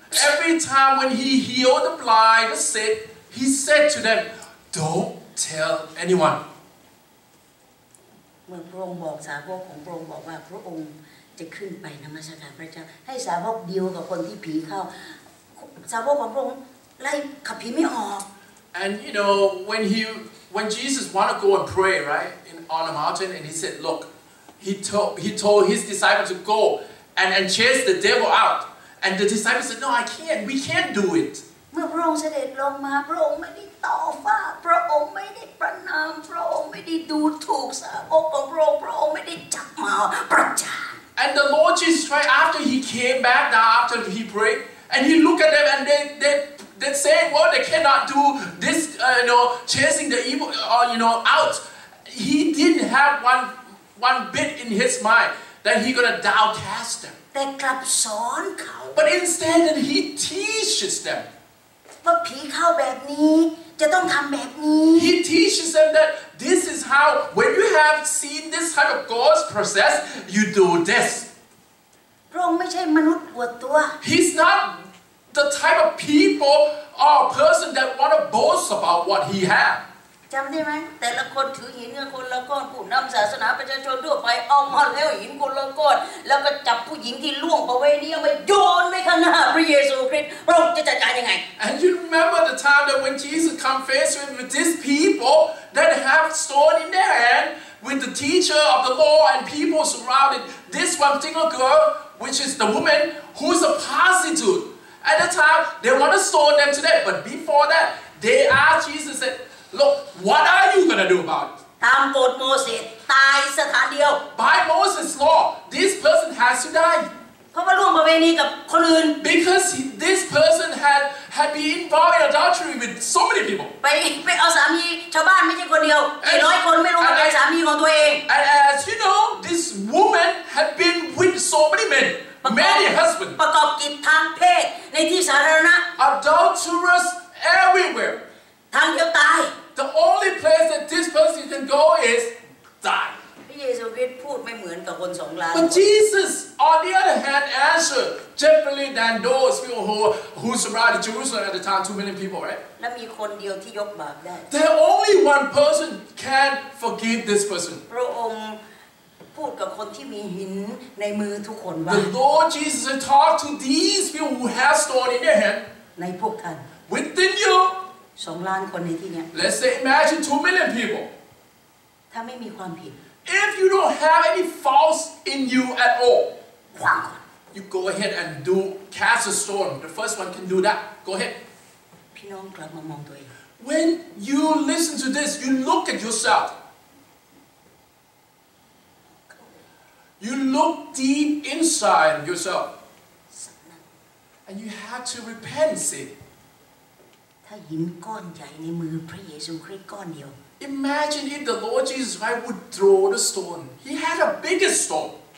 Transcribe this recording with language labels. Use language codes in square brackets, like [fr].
[en] Every time when he healed the blind, he said to them, "Don't tell anyone." [th] When พระองค์บอกสาวกของพระองค์บอกว่าพระองค์จะขึ้นไปนมัสการพระเจ้าให้สาวกเดียวกับคนที่ผีเข้าสาวกของพระองค์ไล่ขับผีไม่ออก [en] And you know when Jesus want to go and pray right on a mountain and he said look he told his disciples to go and chase the devil out and the disciples said no I can't we can't do it [th] เมื่อพระองค์เสด็จลงมาพระองค์ไม่ได้ต่อว่าพระองค์ไม่ได้ประณามพระองค์ไม่ได้ดูถูกสาวกของพระองค์พระองค์ไม่ได้จับมาประจาน [en] and the Lord Jesus Christ after he came back now after he prayed and he looked at them and they saying what they cannot do this you know chasing the evil you know out he didn't have one bit in his mind that he gonna downcast them [th] แต่กลับสอนเขา [en] but instead that he teaches them [th] ว่าผีเข้าแบบนี้จะต้องทำแบบนี้ [en] he teaches them that this is how when you have seen this type of God's process you do this [th] พระองค์ไม่ใช่มนุษย์ปวดตัว [en] he's notThe type of people or person that want to boast about what he had. [th] จำได้ไหมแต่ละคนถือหินกับคนละก้อนผู้นำศาสนาประชาชนทั่วไปเอามาแล้วหินคนละก้อนแล้วก็จับผู้หญิงที่ล่วงประเวณีเอาไปโยนไปข้างหน้าพระเยซูคริสต์เราจะจัดการยังไง [en] And you remember the time that when Jesus come face with these people that have stone in their hand with the teacher of the law and people surrounded this one particular girl which is the woman who's a prostitute. At the time, they want to stone them to death. But before that, they asked Jesus, said, "Look, what are you gonna do about it?" [th] ตามกฎ Moses ตายสถานเดียว [en] By Moses' law, this person has to die. [th] เพราะว่าร่วมประเวณีกับคนอื่น [en] Because this person had been involved in adultery with so many people. [th] ไปเอาสามีชาวบ้านไม่ใช่คนเดียวกี่ร้อยคนไม่รู้ว่าเป็นสามีของตัวเอง [en] And as you know, this woman had been with so many men. Many husband [th] ประกอบกิจทางเพศในที่สาธารณะ [en] Adulterous everywhere [th] ทางเดียวตาย [en] The only place that this person can go is die [th] พระเยซูคริสต์พูดไม่เหมือนกับคนสองล้าน [en] But Jesus on the other hand answered differently than those people who surrounded Jerusalem at the time 2 million people right [th] และมีคนเดียวที่ยกบาปได้ [en] The only one person can forgive this person [th] พระองค์ พูดกับคนที่มีหินในมือทุกคนว่า [en] The Lord Jesus talk to these people who have stone in their hand [th] ในพวกท่าน [en] Within you [th] 2ล้านคนในที่เนี้ย [en] Let's say imagine 2 million people [th] ถ้าไม่มีความผิด [en] If you don't have any faults in you at all [th] ความ [en] You go ahead and do cast a stone. The first one can do that. Go ahead. [th] พี่น้องกลับมามองตัวเอง [en] When you listen to this, you look at yourself. You look deep inside yourself. And you have to repent, see. [th] ถ้าหินก้อนใหญ่ในมือพระเยซูคริสต์ก้อนเดียว [en] Imagine if the Lord Jesus Christ would throw the stone. He had a bigger stone.